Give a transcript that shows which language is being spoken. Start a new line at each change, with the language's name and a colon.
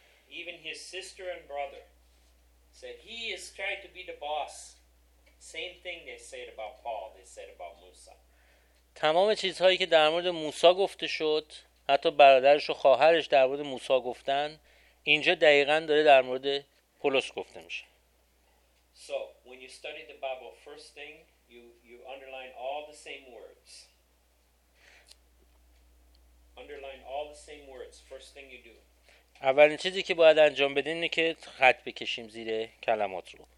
English: Even his sister and brother said he is trying to be the boss. Same thing they said about Paul, they said about Musa.
Persian: تمام چیزهایی که در مورد موسی گفته شد، حتی برادرش و خواهرش در مورد موسی گفتن، اینجا دقیقا داره در مورد پولس گفته میشه.
English: So when you study the Bible, first thing you underline all the same words. Underline all the same words. First thing you do.
Persian: اولین چیزی که باید انجام بدین اینه که خط بکشیم زیر کلمات رو.